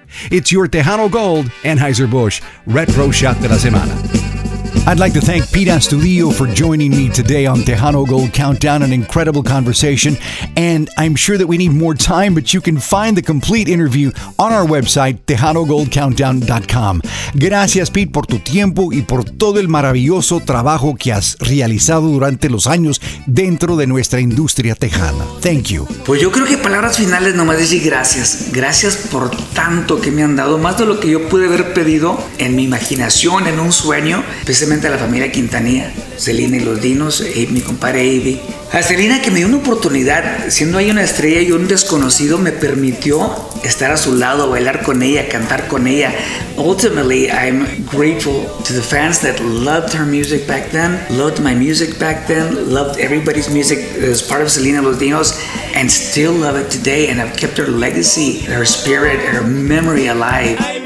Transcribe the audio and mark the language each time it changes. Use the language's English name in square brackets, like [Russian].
[English] It's your Tejano Gold, Anheuser-Busch, Retro Shot de la Semana. I'd like to thank Pete Astudillo for joining me today on Tejano Gold Countdown, an incredible conversation, and I'm sure that we need more time, but you can find the complete interview on our website, TejanoGoldCountdown.com. [Spanish] Gracias, Pete, por tu tiempo y por todo el maravilloso trabajo que has realizado durante los años dentro de nuestra industria tejana. [English] Thank you. [Spanish] Pues yo creo que palabras finales nomás decir gracias. Gracias por tanto que me han dado, más de lo que yo pude haber pedido en mi imaginación, en un sueño, pues a la familia Quintanilla, Celina y los Dinos, Abe, mi compadre Abe. A Celina, que me dio una oportunidad, siendo ahí una estrella y un desconocido, me permitió estar a su lado, bailar con ella, cantar con ella. [English] Ultimately, I'm grateful to the fans that loved her music back then, loved my music back then, loved everybody's music as part of Celina Los Dinos, and still love it today, and I've kept her legacy, her spirit, her memory alive.